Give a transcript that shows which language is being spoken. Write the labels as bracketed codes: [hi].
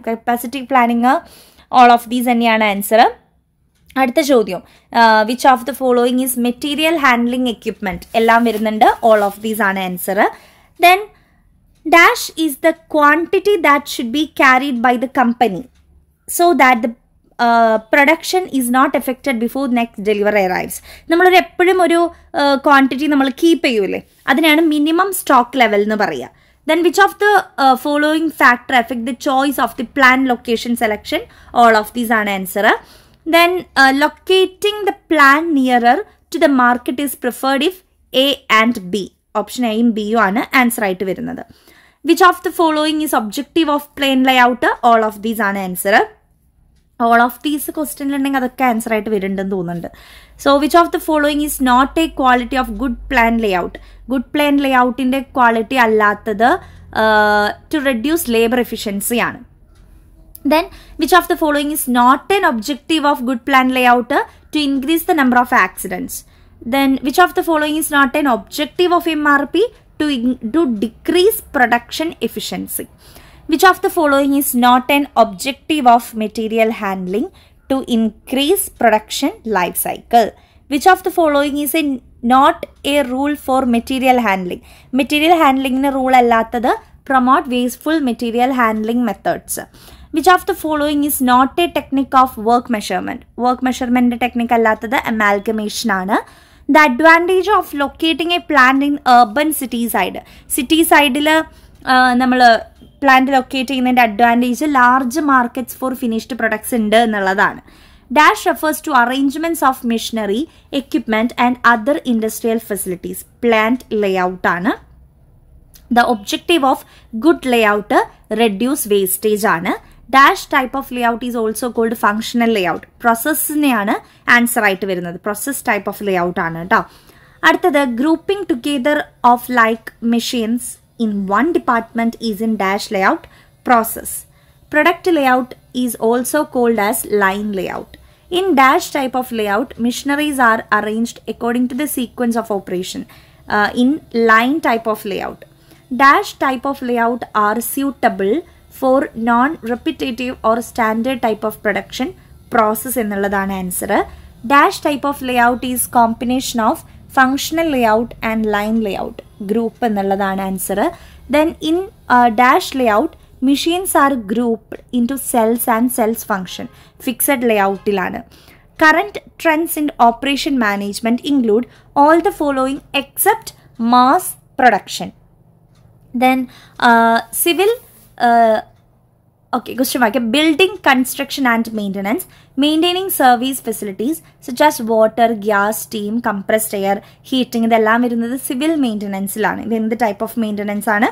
[en] Capacity planning, all of these [ml] enniyana [en] answer. [ml] Adutha chodyam, [en] which of the following is material handling equipment? [ml] Ellam varunnund, [en] all of these are answer. Then dash is the quantity that should be carried by the company so that the production is not affected before next delivery arrives. [ml] നമ്മളൊരു എപ്പോഴും ഒരു quantity നമ്മൾ keep ചെയ്യൂലേ, അതിനാണ് minimum stock level എന്ന് പറയുക. [en] Then which of the following factor affect the choice of the plan location selection? All of these ആണ് answer. Then locating the plan nearer to the market is preferred if A and B. [ml] Option എയും ബിയും ആണ് answer ആയിട്ട് വരുന്നത്. [en] Which of the following is objective of plain layout? All of these [ml] ആണ് answer. All of these ക്വസ്റ്റ്യനിലുണ്ടെങ്കിൽ അതൊക്കെ answer ആയിട്ട് വരുന്നുണ്ടെന്ന് തോന്നുന്നുണ്ട്. [en] So which of the following is not a quality of good plan layout? Good plan ലേ ഔട്ടിൻ്റെ quality അല്ലാത്തത് to reduce labour efficiency ആണ്. Then which of the following is not an objective of good plan layout? To increase the number of accidents. Then which of the following is not an objective of MRP? To decrease production efficiency. Which of the following is not an objective of material handling to increase production life cycle? Which of the following is not a rule for material handling? Material handling na rule [ml] allathathu [en] promote wasteful material handling methods. Which of the following is not a technique of work measurement? Work measurement technique [ml] allathathu amalgamation aanu. [en] The advantage of locating a plant in urban city side la [ml] nammal [en] plant locate ചെയ്യുന്നതിൻ്റെ advantage large markets for finished products [ml] ഉണ്ട് എന്നുള്ളതാണ്. [en] Dash refers to arrangements of machinery equipment and other industrial facilities. Plant ലേ ഔട്ടാണ്. The objective of good layout reduce wastage ആണ്. Dash type of layout is also called functional layout. [ml] പ്രോസസ്സിനെയാണ് answer ആയിട്ട് വരുന്നത്. [en] process type of layout [ml] ആണ് കേട്ടോ. [en] അടുത്തത് grouping together of like machines in one department is in dash layout process. Product layout is also called as line layout. In dash type of layout, machineries are arranged according to the sequence of operation in line type of layout. Dash type of layout are suitable for non-repetitive or standard type of production process [ml] ennalladana [en] answer. Dash type of layout is combination of functional layout and line layout. [ml] Group എന്നുള്ളതാണ് answer. [en] Then in dash layout machines are grouped into cells and cells function. Fixed ലേഔട്ടിലാണ്. Current trends in operation management include all the following except mass production. Then civil Okay, question mark. Building, construction and maintenance. Maintaining service facilities such as water, gas, steam, compressed air, heating. This is civil maintenance. This is the type of maintenance.